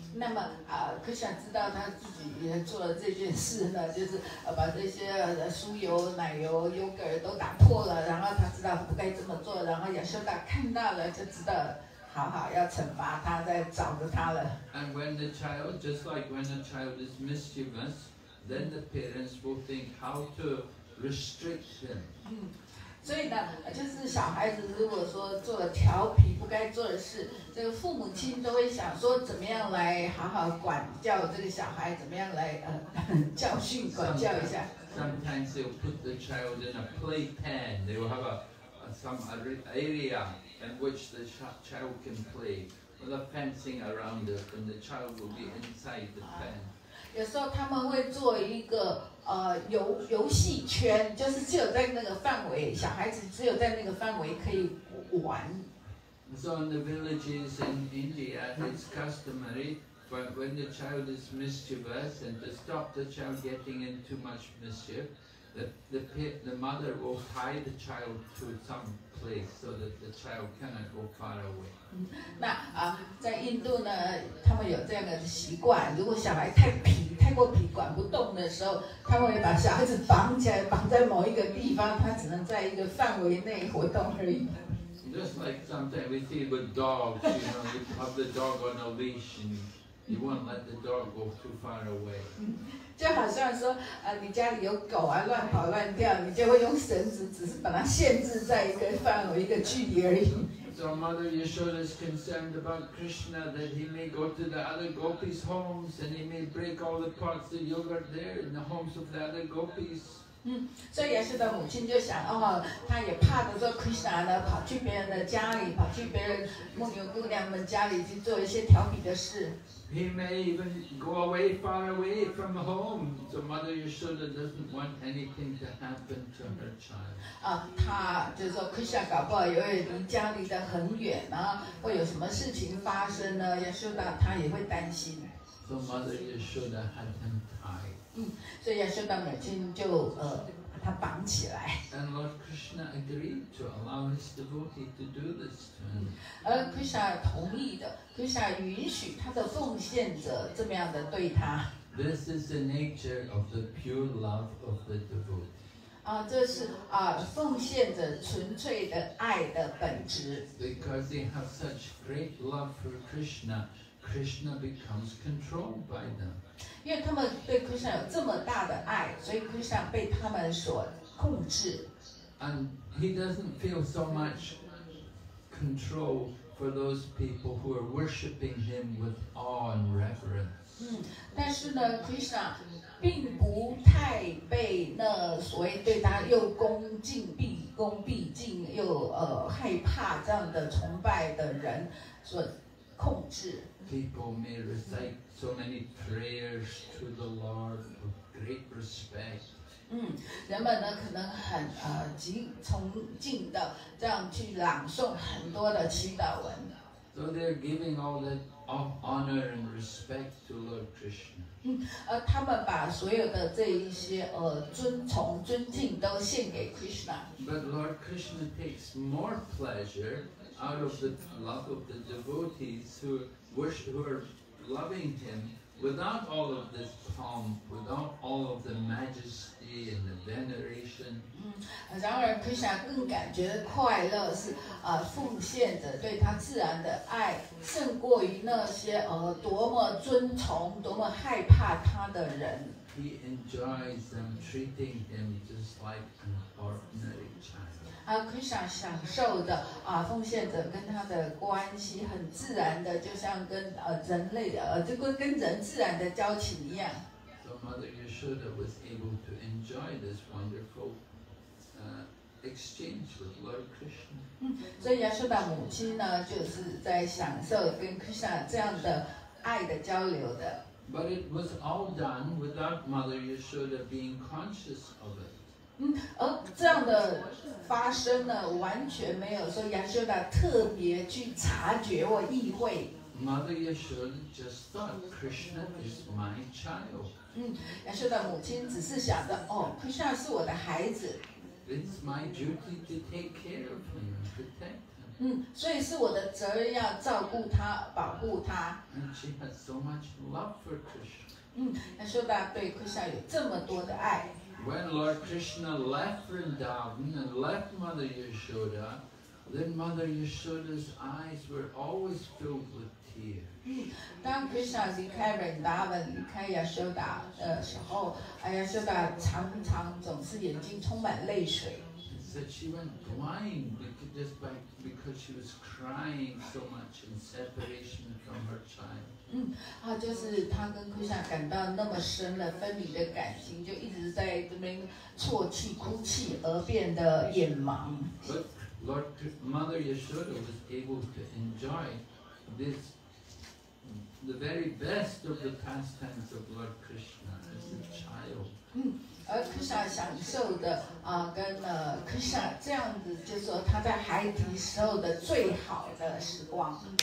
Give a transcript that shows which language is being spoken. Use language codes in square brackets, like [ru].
[zh] 那么Krishna 知道他自己也做了这件事呢，就是把这些酥油、奶油、yogurt 都打破了，然后他知道不该这么做，然后Yashoda看到了就知道了。 [en] And when the child, just like when a child is mischievous, then the parents will think how to restrict him. [zh] 所以呢，就是小孩子如果说做了调皮不该做的事，这个父母亲都会想说怎么样来好好管教这个小孩，怎么样来教训管教一下。 [en] Sometimes they'll put the child in a playpen. They will have some area. In which the child can play with a fencing around it, and the child will be inside the fence. [zh] 有时候他们会做一个游戏圈，就是只有在那个范围，小孩子只有在那个范围可以玩。 [en] So in the villages in India, it's customary for when the child is mischievous, and to stop the child getting in too much mischief, the mother will tie the child to some. So that the child cannot go far away. [zh] 那在印度呢，他们有这样的习惯，如果小孩太皮、太过皮、管不动的时候，他们会把小孩子绑起来，绑在某一个地方，他只能在一个范围内活动而已。 [en] Just like sometimes we see with dogs, you know, you have the dog on a leash and you won't let the dog go too far away. [zh] 就好像说你家里有狗啊乱跑乱跳，你就会用绳子只是把它限制在一个范围一个距离而已。 [en] So Mother Yashoda is concerned about Krishna that he may go to the other gopis' homes and he may break all the pots of yogurt there in the homes of the other gopis. [zh] 所以亚瑟的母亲就想他也怕的说 Krishna 呢跑去别人的家里，跑去别人牧牛姑娘们家里去做一些调皮的事。 [en] He may even go away far away from home. So Mother Yashoda doesn't want anything to happen to her child. [zh] 他就是说 Krishna 搞不好也会离家离得很远，然后会有什么事情发生呢？ Yashoda 他也会担心。 [en] So Mother Yashoda had him tied. [zh] 所以 Yashoda 母亲就把他绑起来。 [en] And Lord Krishna agreed to allow his devotee to do this to him. [zh] 而 Krishna 同意的。Krishna 允许他的奉献者这么样的对他。 [en] This is the nature of the pure love of the devotee. [zh] 这是奉献的纯粹的爱的本质。 [en] Because they have such great love for Krishna, Krishna becomes controlled by them. [zh] 因为他们对 Krishna 有这么大的爱，所以 Krishna 被他们所控制。 [en] And he doesn't feel so much control for those people who are worshipping him with awe and reverence. [zh] 但是呢 ，Krishna 并不太被那所谓对他又恭敬、毕恭毕敬又害怕这样的崇拜的人所控制。 [en] People may recite so many prayers to the Lord with great respect. [zh] 人们呢可能很极崇敬的这样去朗诵很多的祈祷文。 [en] So they're giving all the honor and respect to Lord Krishna. [zh] 他们把所有的这一些尊崇尊敬都献给 Krishna. [en] But Lord Krishna takes more pleasure out of the love of the devotees who worship, who are loving him. Without all of this pomp, without all of the majesty and the veneration. [zh] 然而 Krishna 更感觉快乐是奉献者对他自然的爱胜过于那些多么尊崇多么害怕他的人。 [en] He enjoys them treating him just like an ordinary child. [zh] Krishna 享受的奉献者跟他的关系很自然的，就像跟人类的跟人自然的交情一样。 [en] So Mother Yashoda was able to enjoy this wonderful exchange with Lord Krishna. [zh] 所以亚瑟达母亲呢，就是在享受跟 Krishna 这样的爱的交流的。 [en] But it was all done without Mother Yashoda being conscious of it. [zh] 这样的发生呢，完全没有说亚瑟达特别去察觉或意会。 [en] Mother Yashoda just thought Krishna is my child. [zh] 亚瑟达母亲只是想着，哦 ，Krishna 是我的孩子。 [en] It's my duty to take care of him and protect him. [zh] 所以是我的责任要照顾他，保护他。 [en] And she has so much love for Krishna. [zh] 亚瑟达对 Krishna 有这么多的爱。 [en] When Lord Krishna left Vrindavan and left Mother Yashoda, then Mother Yashoda's eyes were always filled with tears. [zh] 当 Krishna 离开 Vrindavan 离开亚瑟达的时候，亚瑟达常常总是眼睛充满泪水。 [en] That she went blind just by because she was crying so much in separation from her child. [zh] 就是她跟 Krishna 感到那么深的分离的感情，就一直在这边啜泣、哭泣而变得眼盲。 [en] But Lord Mother Yashoda was able to enjoy this, the very best of the pastimes of Lord Krishna as a child. [zh] 而 Krishna 享受的跟Krishna 这样子，就是说他在孩提时候的最好的时光。